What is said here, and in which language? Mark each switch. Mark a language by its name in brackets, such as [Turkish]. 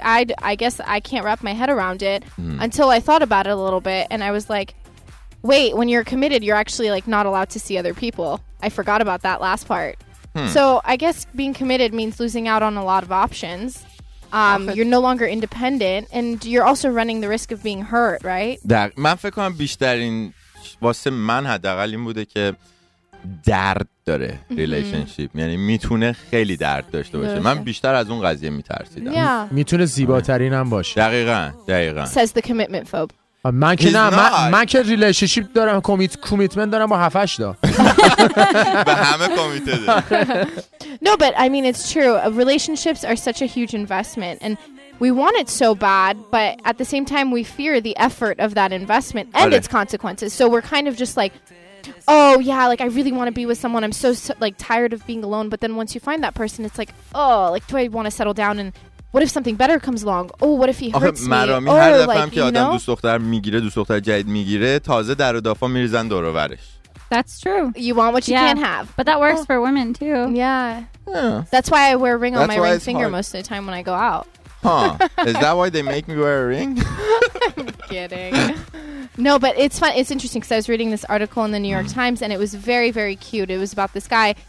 [English] I guess I can't wrap my head around it until I thought about it a little bit. And I was like, wait, when you're committed, you're actually like not allowed to see other people. I forgot about that last part. So I guess being committed means losing out on a lot of options. You're no longer independent and you're also running the risk of being hurt, right? [Persian] من فکر کنم بیشترین واسه من حداقل این بوده که درد داره ریلیشنشیپ، یعنی میتونه خیلی درد داشته باشه. من بیشتر از اون قضیه میترسیدم. میتونه زیباترین هم باشه. دقیقاً [English] says the commitment phobe. [Persian] من که نه، من که ریلیشنشیپ دارم، کمیتمنت دارم با 7-8 تا به همه کمیتد. [English] No, but I mean it's true. Relationships are such a huge investment and we want it so bad, but at the same time we fear the effort of that investment and its consequences. So we're kind of just like, oh yeah, like I really want to be with someone. I'm so like tired of being alone, but then once you find that person it's like, oh, like do I want to settle down and what if something better comes along? Oh, what if he hurts me? [Persian] مرامی هر دفعه هم که آدم دوست دختر میگیره، دوست دختر جدید میگیره، تازه در و دافا میریزن دور و برش. [English] That's true. You want what you can't have. But that works for women too. Yeah. That's why I wear a ring on my ring finger most of the time when I go out. Huh. Is that why they make me wear a ring? I'm kidding. No, but it's fun. It's interesting because I was reading this article in the New York Times and it was very, very cute. It was about this guy.